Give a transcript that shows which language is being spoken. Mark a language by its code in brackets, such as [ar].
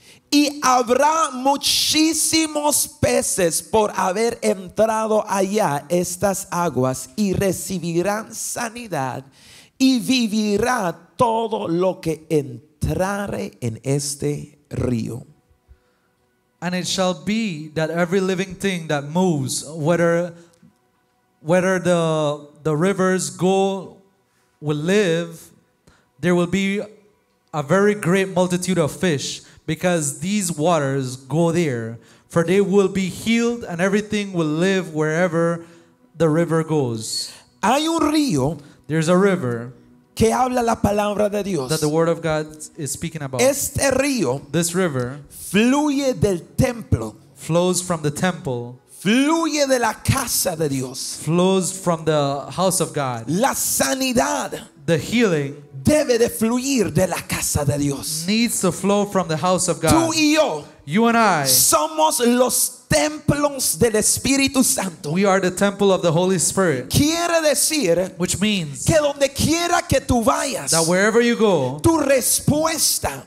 [es] y habrá muchísimos peces por haber entrado allá estas aguas, y recibirán sanidad, y vivirá todo lo que entrare en este río. [en] And it shall be that every living thing that moves, whether the rivers go, will live, there will be a very great multitude of fish, because these waters go there. For they will be healed, and everything will live wherever the river goes. [es] Hay un río. [en] There's a river. [es] Que habla la palabra de Dios. [en] That the word of God is speaking about. [es] Este río, [en] this river, [es] fluye del templo, [en] flows from the temple, [es] fluye de la casa de Dios, [en] flows from the house of God. [es] La sanidad, [en] the healing, [es] debe de fluir de la casa de Dios, [en] needs to flow from the house of God. [es] Tú y yo, [en] you and I, [es] somos los templos del Espíritu Santo. [en] We are the temple of the Holy Spirit. [es] Quiere decir, [en] which means, [es] que donde quiera que tú vayas, [en] that wherever you go, [es] tu respuesta,